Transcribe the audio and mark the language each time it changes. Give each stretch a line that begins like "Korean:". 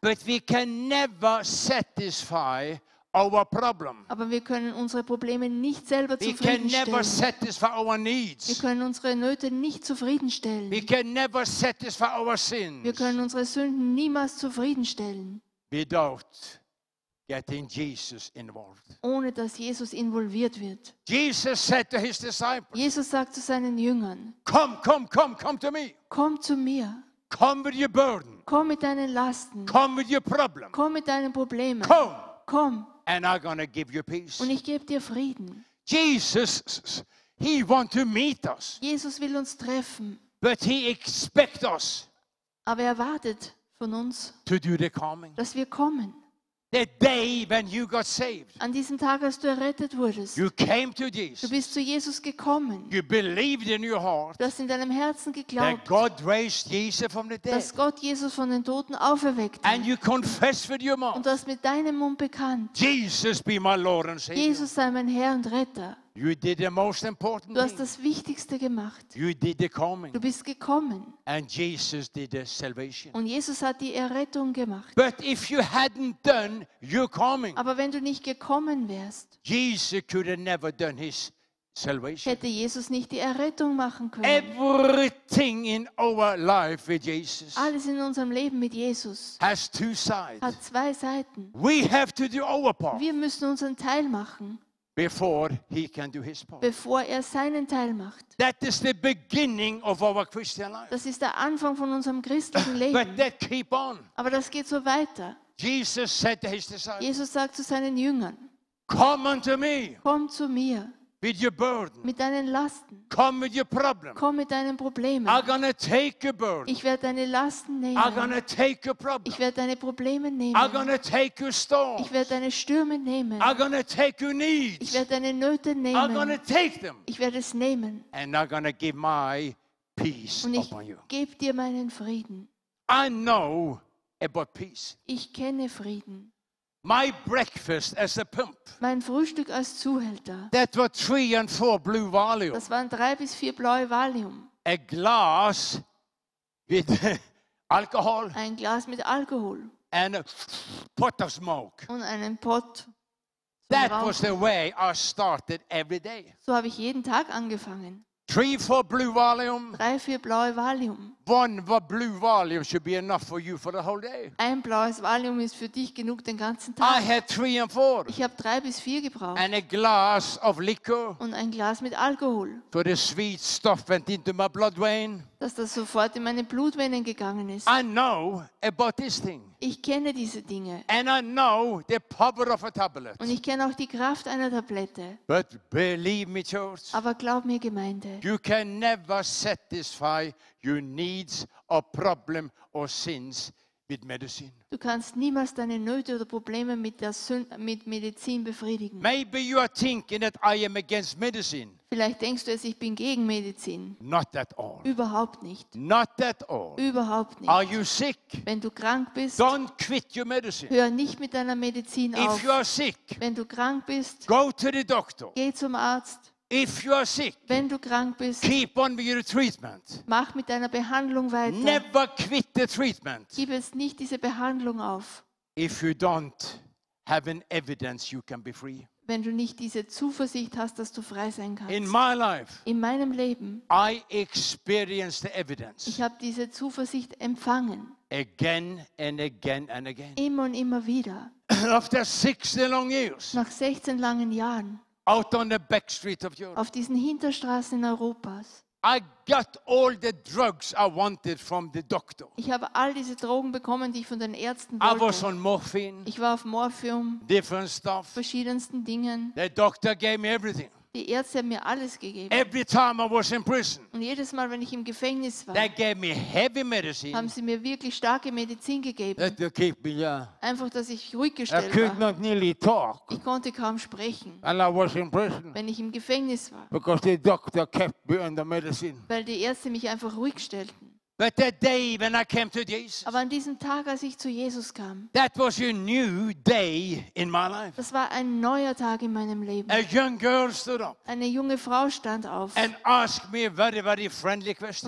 English: But we can never satisfy our problem.
German: Aber wir können unsere Probleme nicht selber zufriedenstellen.
English: We can never satisfy our needs.
German: Wir können unsere Nöte nicht zufriedenstellen.
English: We can never satisfy our sins.
German: Wir können unsere Sünden niemals zufriedenstellen.
English: Without getting Jesus involved.
German: Ohne dass Jesus involviert wird.
English: Jesus said to his disciples.
German: Jesus sagt zu seinen Jüngern.
English: Come to me.
German: Komm zu mir.
English: Come with your burden.
German: Komm mit deinen Lasten.
English: Come with your problem.
German: Komm mit deinen Problemen.
English: Come.
German: Komm.
English: And I'm gonna give you peace.
German: Und ich gebe dir Frieden.
English: Jesus, he want to meet us.
German: Jesus will uns treffen.
English: But he expect us.
German: Aber er wartet von uns.
English: To do the coming.
German: Dass wir kommen.
English: The day when you got saved.
German: An diesem Tag, als du errettet wurdest.
English: You came to Jesus.
German: Du bist zu Jesus gekommen.
English: You believed in your heart.
German: Du hast in deinem Herzen geglaubt.
English: That God raised Jesus from the dead.
German: Dass Gott Jesus von den Toten auferweckt hat.
English: And you confessed with your mouth.
German: Und du hast mit deinem Mund bekannt.
English: Jesus be my Lord and Savior.
German: Jesus sei mein Herr und Retter.
English: You did the most important thing.
German: Du hast das Wichtigste gemacht.
English: You did the coming.
German: Du bist gekommen.
English: And Jesus did the salvation.
German: Und Jesus hat die Errettung gemacht.
English: But if you hadn't done your coming,
German: aber wenn du nicht gekommen wärst,
English: Jesus could have never done his salvation.
German: Hätte Jesus nicht die Errettung machen können.
English: Everything in our life with Jesus.
German: Alles in unserem Leben mit Jesus.
English: Has two sides.
German: Hat zwei Seiten.
English: We have to do our part.
German: Wir müssen unseren Teil machen.
English: Before he can do his part.
German: Bevor er seinen Teil macht.
English: That is the beginning of our Christian life.
German: Das ist der Anfang von unserem christlichen Leben.
English: But that keep on.
German: Aber das geht so weiter.
English: Jesus said to his disciples.
German: Jesus sagt zu seinen Jüngern.
English: Come unto me.
German: Komm zu mir.
English: With your burden.
German: Mit deinen Lasten.
English: Come with your problem.
German: Komm mit deinen Problemen.
English: I'm gonna take your burden.
German: Ich werde deine Lasten nehmen.
English: I'm gonna take your problem.
German: Ich werde deine Probleme nehmen.
English: I'm gonna take your storms.
German: Ich werde deine Stürme nehmen.
English: I'm gonna take your needs.
German: Ich werde deine Nöte nehmen.
English: I'm gonna take them.
German: Ich werde es nehmen.
English: And I'm gonna give my peace upon you.
German: Und ich gebe dir meinen Frieden.
English: I know about peace.
German: Ich kenne Frieden.
English: My breakfast as a pimp.
German: Mein Frühstück als Zuhälter.
English: That were 3 and 4 blue Valium.
German: Das waren 3 bis 4 blaue Valium.
English: A glass with alcohol.
German: Ein Glas mit Alkohol.
English: And a pot of smoke.
German: Und einen Pott.
English: That was the way I started every day.
German: So habe ich jeden Tag angefangen.
English: 3-4 blue Valium.
German: 3-4 blaue Valium.
English: One blue Valium should be enough for you for the whole day.
German: Ein blaues Valium ist für dich genug den ganzen Tag.
English: I had 3 and 4.
German: Ich habe 3 bis 4 gebraucht.
English: And a glass of liquor.
German: Und ein Glas mit Alkohol.
English: So the sweet stuff went into my blood vein.
German: Dass das sofort in meine Blutvenen gegangen ist.
English: I know about this thing.
German: Ich kenne diese Dinge.
English: And I know the power of a tablet.
German: Und ich kenne auch die Kraft einer Tablette.
English: But believe me, church.
German: Aber glaub mir, Gemeinde.
English: You can never satisfy your needs or problem or sins with medicine.
German: Du kannst niemals deine Nöte oder Probleme mit Medizin befriedigen.
English: Maybe you are thinking that I am against medicine.
German: Vielleicht denkst du, dass ich bin gegen Medizin.
English: Not at all.
German: Überhaupt nicht.
English: Not at all.
German: Überhaupt nicht.
English: Are you sick?
German: Wenn du krank bist,
English: don't quit your medicine.
German: Hör nicht mit deiner Medizin
English: if
German: auf.
English: If you are sick,
German: wenn du krank bist,
English: go to the doctor.
German: Geh zum Arzt.
English: If you are sick,
German: wenn du krank bist,
English: keep on with your treatment.
German: Mach mit deiner Behandlung weiter.
English: Never quit the treatment.
German: Gib es nicht diese Behandlung auf.
English: If you don't have an evidence, you can be free.
German: Wenn du nicht diese Zuversicht hast, dass du frei sein kannst.
English: In my life,
German: in meinem Leben,
English: I experienced the evidence.
German: Ich habe diese Zuversicht empfangen.
English: Again and again and again.
German: Immer und immer wieder.
English: After 16 long years.
German: Nach 16 langen Jahren.
English: Out on the back street of Europe.
German: Auf diesen Hinterstraßen in Europas.
English: I got all the drugs I wanted from the doctor.
German: Ich habe all diese Drogen bekommen, die ich von den Ärzten wollte.
English: I was on morphine.
German: Ich war auf Morphium.
English: Different stuff.
German: Verschiedensten Dingen.
English: The doctor gave me everything.
German: Die Ärzte haben mir alles gegeben.
English: Every time I was in prison.
German: Und jedes Mal, wenn ich im Gefängnis war,
English: they gave me heavy medicine.
German: Haben sie mir wirklich starke Medizin gegeben.
English: That to keep me,
German: einfach, dass ich ruhig gestellt
English: I could
German: war.
English: Not nearly talk.
German: Ich konnte kaum sprechen.
English: And I was in prison.
German: Wenn ich im Gefängnis war.
English: Because the doctor kept me under medicine.
German: Weil die Ärzte mich einfach ruhig stellten.
English: But that day when I came to Jesus.
German: Aber an diesem Tag, als ich zu Jesus kam.
English: That was a new day in my life.
German: Das war ein neuer Tag in meinem Leben.
English: A young girl stood up.
German: Eine junge Frau stand auf.
English: And asked me a very, very friendly question.